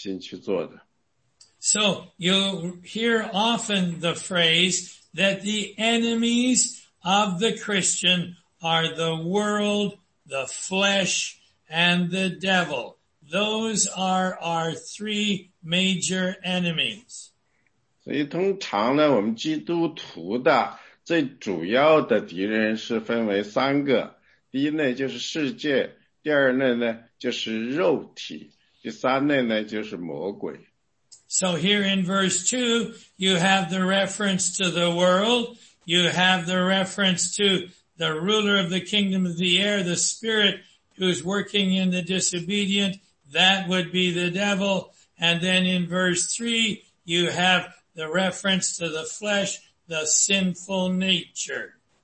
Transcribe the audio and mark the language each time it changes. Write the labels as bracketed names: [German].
[Chinese] 所以这是在放纵我们那个有罪的本身，而不是说跟随着那个神的那个本心去做的。 [English] So you'll hear often the phrase that the enemies of the Christian are the world, the flesh, and the devil. Those are our three major enemies. [Chinese] 所以通常呢，我们基督徒的最主要的敌人是分为三个。第一呢，就是世界；第二呢，就是肉体；第三呢，就是魔鬼。 [English] So here in verse 2, you have the reference to the world. You have the reference to the ruler of the kingdom of the air, the spirit who's working in the disobedient. That would be the devil. And then in verse 3, you have the reference to the flesh, the sinful nature.